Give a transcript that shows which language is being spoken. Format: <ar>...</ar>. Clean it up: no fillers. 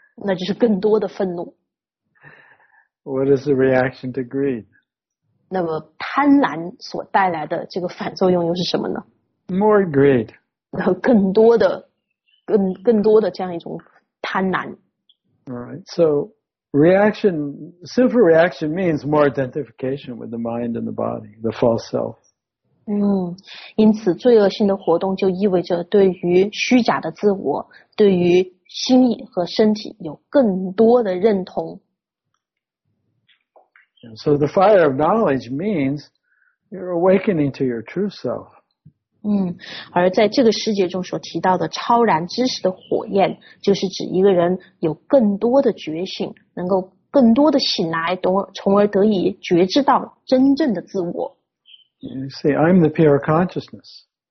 <zh>那就是更多的愤怒。</zh> <en>What is the reaction to greed?</en> <zh>那么贪婪所带来的这个反作用又是什么呢？</zh> <en>More greed.</en> <zh>然后更多的这样一种贪婪。</zh> <en>Alright, so sinful reaction means more identification with the mind and the body, the false self.</en> <zh>因此罪恶性的活动就意味着对于虚假的自我，对于心意和身体有更多的认同。</zh> <en>So the fire of knowledge means you're awakening to your true self.</en> <zh>而在这个世界中所提到的超然知识的火焰，就是指一个人有更多的觉醒，能够更多的醒来，从而得以觉知到真正的自我。</zh> <en>You see, I'm the pure consciousness.</en>